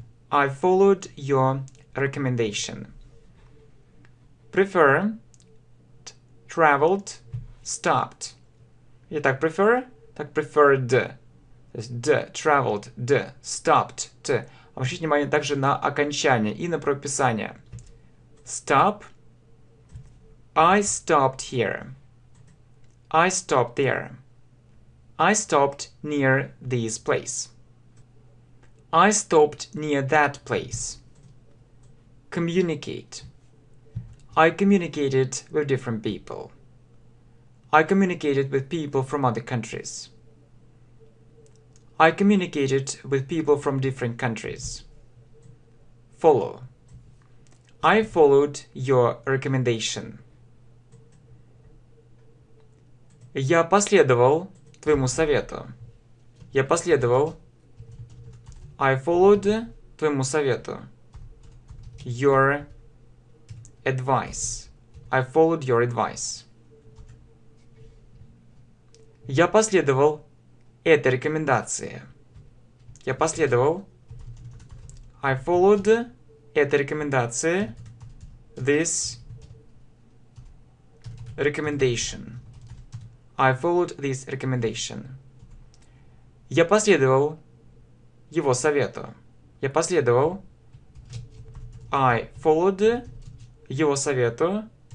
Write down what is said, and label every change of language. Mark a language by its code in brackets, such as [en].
[en] I followed your recommendation. Prefer traveled stopped. [ru] Я так [en] prefer, [ru] так [en] preferred. D traveled, D stopped, T. [ru] Обратите внимание также на окончание и на правописание. [en] Stop. I stopped here. I stopped there. I stopped near this place. I stopped near that place. Communicate. I communicated with different people. I communicated with people from other countries. I communicated with people from different countries. Follow. I followed your recommendation. [ru] Я последовал твоему совету. Я последовал. [en] I followed [ru] твоему совету. [en] Your advice. I followed your advice. [ru] Я последовал этой рекомендации. Я последовал. [en] I followed [ru] этой рекомендации. [en] This recommendation. I followed this recommendation. [ru] Я последовал его совету. Я последовал. [en] I followed [ru] его совету.